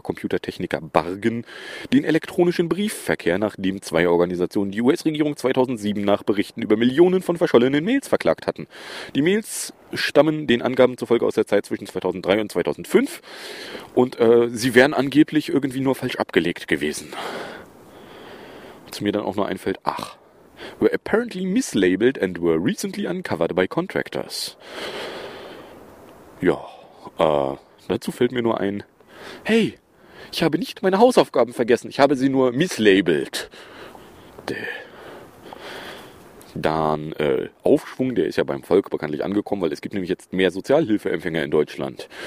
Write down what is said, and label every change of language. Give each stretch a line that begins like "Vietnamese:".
German: Computertechniker bargen den elektronischen Briefverkehr, nachdem zwei Organisationen die US-Regierung 2007 nach Berichten über Millionen von verschollenen Mails verklagt hatten. Die Mails stammen den Angaben zufolge aus der Zeit zwischen 2003 und 2005 und sie wären angeblich irgendwie nur falsch abgelegt gewesen. Was mir dann auch nur einfällt, ach,
English: were apparently mislabeled and were recently uncovered by contractors.
German: Ja, dazu fällt mir nur ein, hey, ich habe nicht meine Hausaufgaben vergessen, ich habe sie nur mislabeled. Dann Aufschwung, der ist ja beim Volk bekanntlich angekommen, weil es gibt nämlich jetzt mehr Sozialhilfeempfänger in Deutschland.